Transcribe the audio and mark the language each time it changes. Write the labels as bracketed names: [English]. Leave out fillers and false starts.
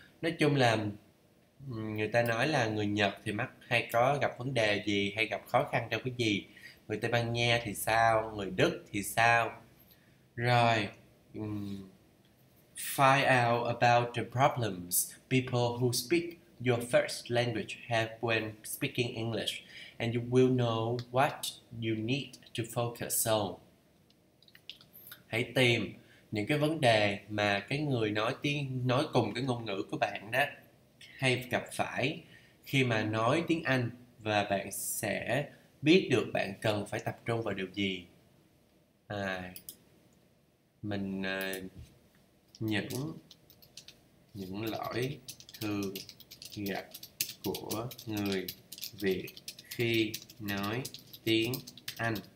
[Vietnamese] Nói chung là người ta nói là người Nhật thì mắc hay có gặp vấn đề gì hay gặp khó khăn trong cái gì. người Tây Ban Nha thì sao, người Đức thì sao. [English] Rồi, find out about the problems people who speak your first language have when speaking English, and you will know what you need to focus on. [Vietnamese] Hãy tìm những cái vấn đề mà cái người nói tiếng nói cùng cái ngôn ngữ của bạn đó hay gặp phải khi mà nói tiếng Anh, và bạn sẽ biết được bạn cần phải tập trung vào điều gì. À, mình những lỗi thường gặp của người Việt khi nói tiếng Anh.